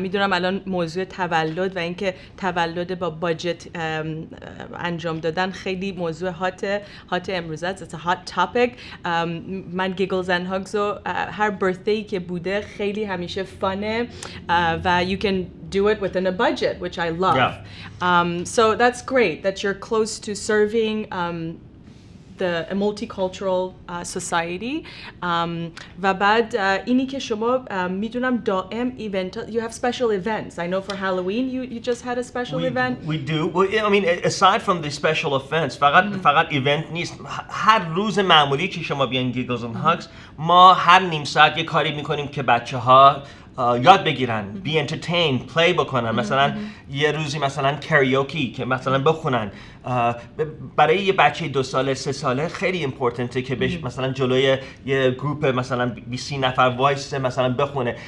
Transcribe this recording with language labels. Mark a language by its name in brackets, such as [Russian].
[Persian] میدونم الان موضوع تولد و اینکه تولد با باجت انجام دادن خیلی موضوع هات امروز است. [English] It's a hot topic. [Persian] من گیگلز اند هاگز و هر برثدی که بوده خیلی همیشه فانه و [English] you can do it within a budget, which I love. Yeah. So that's great that you're close to serving the multicultural society. [Persian] و بعد اینی که شما میدونم دائم ایونت [English] you have special events. I know for Halloween you just had a special event. We do. Well, I mean, aside from the special events, [Persian] فقط ایونت نیست. هر روز معمولی که شما بیان گیگلز اند هاگز ما هر نیم ساعت یه کاری میکنیم که بچه‌ها یاد بگیرن [English] be entertained [Persian] play بکنن مثلا یه روزی مثلا کاریوکی که مثلا بخونن برای یه بچه دو ساله سه ساله خیلی امپورتنته که بهش مثلا جلوی یه گروپ مثلا 20 نفر وایس مثلا بخونه.